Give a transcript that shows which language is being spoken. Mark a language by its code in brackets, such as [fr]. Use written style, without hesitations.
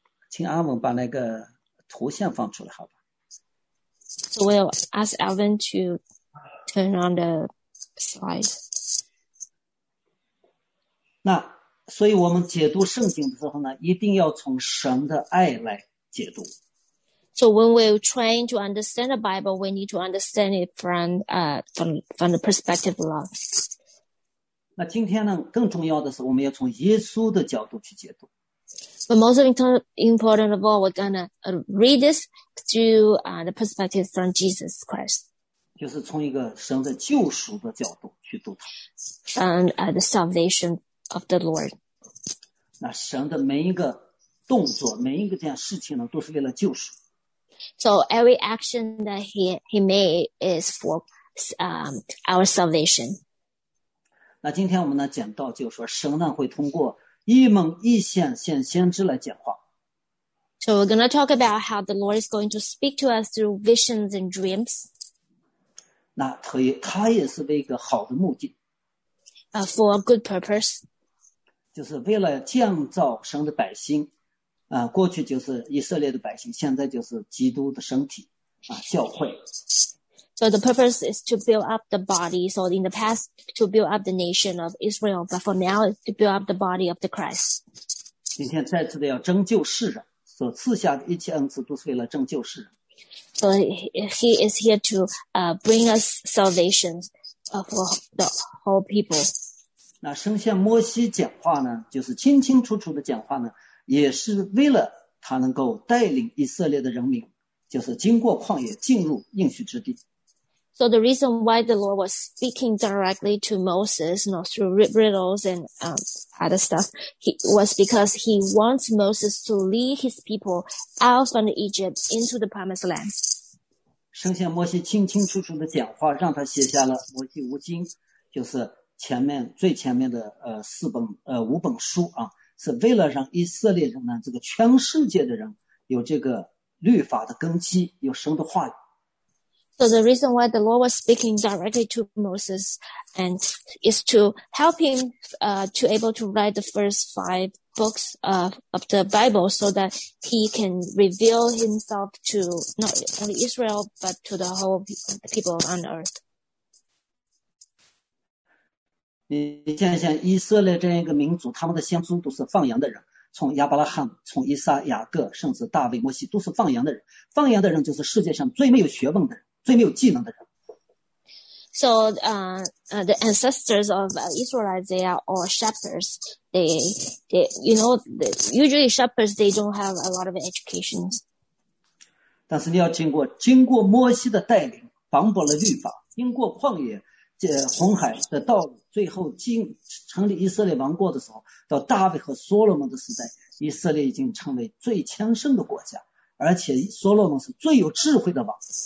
[zh] 请阿文把那个图像放出来，好吧 [en] ？So we'll ask Alvin to turn on the slide. [zh] 那所以我们解读圣经的时候呢，一定要从神的爱来解读。 [en] So when we train to understand the Bible, we need to understand it from the perspective of love. [zh] 那今天呢，更重要的是我们要从耶稣的角度去解读。 [en] But most important of all, we're gonna read this through the perspective from Jesus Christ. [zh] 就是从一个神的救赎的角度去读它。 [en] And the salvation of the Lord. [zh] 那神的每一个动作，每一个这样事情呢，都是为了救赎。 [en] So every action that he made is for our salvation. [zh] 那今天我们呢讲到，就是说神呢会通过异梦异象向先知来讲话。 [en] So we're gonna talk about how the Lord is going to speak to us through visions and dreams. [zh] 那他也是为一个好的目的。 [en] For a good purpose. [zh] 就是为了建造神的百姓。过去就是以色列的百姓，现在就是基督的身体，教会。 [en] So the purpose is to build up the body. So in the past, to build up the nation of Israel, but for now, it's to build up the body of the Christ. [zh] 今天再次的要拯救世人，所赐下的一切恩赐都是为了拯救世人。 [en] So he is here to bring us salvation for the whole people. [zh] 那神向摩西讲话呢，就是清清楚楚的讲话呢。也是为了他能够带领以色列的人民，就是经过旷野进入应许之地。 [en] So the reason why the Lord was speaking directly to Moses, not through riddles and other stuff, was because he wants Moses to lead his people out from Egypt into the promised land. [zh] 神向摩西清清楚楚的讲话，让他写下了摩西五经，就是前面最前面的五本书啊。是为了让以色列人呢，这个全世界的人有这个律法的根基，有神的话语。 [en] So the reason why the Lord was speaking directly to Moses and is to help him to able to write the first five books of the Bible, so that he can reveal himself to not only Israel but to the whole people on earth. [zh] 你想想以色列这样一个民族，他们的先祖都是放羊的人，从亚伯拉罕，从以撒、雅各，甚至大卫、摩西都是放羊的人。放羊的人就是世界上最没有学问的人，最没有技能的人。 [en] So, the ancestors of Israelites, they are all shepherds. They usually shepherds, they don't have a lot of education. [zh] 但是你要经过摩西的带领，绑绑了律法，经过旷野。红海的道路，最后进成立以色列王国的时候，到大卫和所罗门的时代，以色列已经成为最强盛的国家，而且所罗门是最有智慧的王。